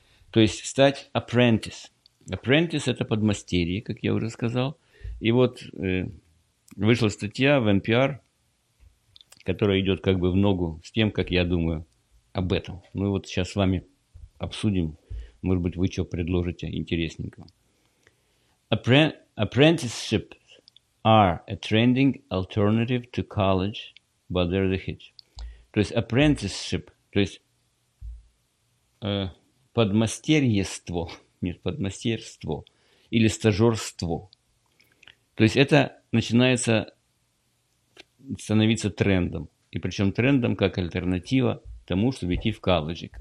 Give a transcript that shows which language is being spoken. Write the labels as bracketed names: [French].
[Russian] То есть стать apprentice. Apprentice – это подмастерье, как я уже сказал. И вот вышла статья в NPR, которая идет как бы в ногу с тем, как я думаю об этом. Ну вот сейчас с вами обсудим, может быть, вы что предложите интересненького. [English] Apprenticeships are a trending alternative to college, but they're the hitch. [Russian] То есть apprenticeship, то есть подмастерьество, нет, подмастерство или стажерство. То есть это начинается становиться трендом. И причем трендом как альтернатива тому, чтобы идти в колледжи.